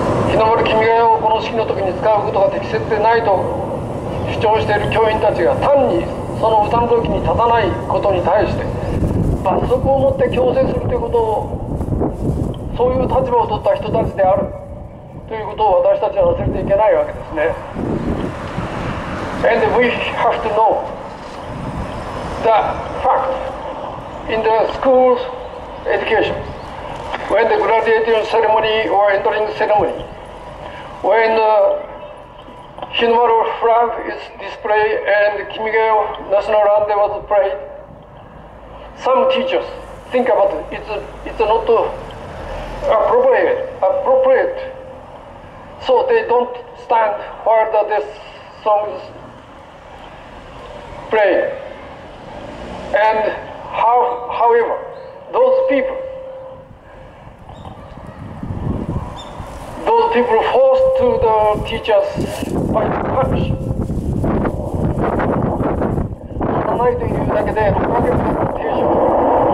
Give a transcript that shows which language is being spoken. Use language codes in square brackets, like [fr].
[ja] 日の丸君がをこの式の時に使うことが適切でないと主張している教員たちが単にその歌の時に立たないことに対して罰則を持って強制するということを、そういう立場を取った人たちであるということを私たちは忘れていけないわけですね。 [en] And we have to knowThe fact in the school's education, when the graduation ceremony or entering ceremony, when the Hinomaru flag is displayed and Kimigayo national anthem was played, some teachers think about it. It's not appropriate. So they don't stand while the song is played. And however, those people forced to the teachers by punish. [ja] 立たないというだけで、6ヶ月の停止を。